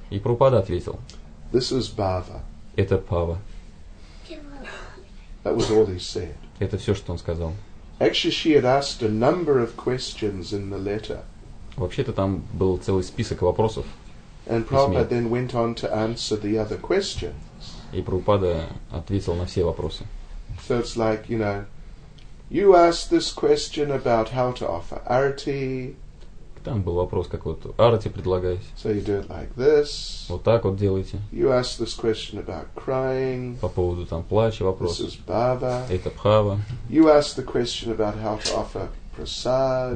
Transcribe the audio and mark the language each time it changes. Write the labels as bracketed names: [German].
[Russian] И Прабхупада ответил. [English] This is bhava. [Russian] Это пава. [English] That was all he said. [Russian] Это все, что он сказал. [English] Actually, she had asked a number of questions in the letter. [Russian] Вообще-то там был целый список вопросов. [English] And Prabhupada then went on to answer the other questions. [Russian] И Прабхупада ответил на все вопросы. [English] So it's like, you know, you asked this question about how to offer arati. [Russian] Там был вопрос, как вот арати предлагаешь. [English] So you do it like this. [Russian] Вот так вот делаете. [English] You ask this question about crying. [Russian] По поводу там плача вопрос. [English] This is bhava. [Russian] Это бхава. [English] You ask the question about how to offer prasad.